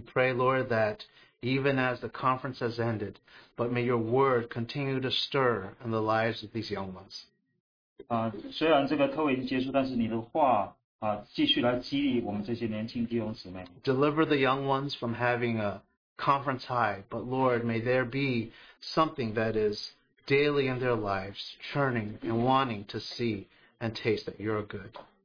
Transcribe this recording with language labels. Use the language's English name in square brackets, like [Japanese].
[English] pray, Lord, that even as the conference has ended, but may your word continue to stir in the lives of these young ones. [Chinese] 虽然这个特会已经结束，但是你的话继续来激励我们这些年轻弟兄姊妹。 [English] Deliver the young ones from having a conference high, but Lord, may there be something that is daily in their lives, churning and wanting to see and taste that you're good.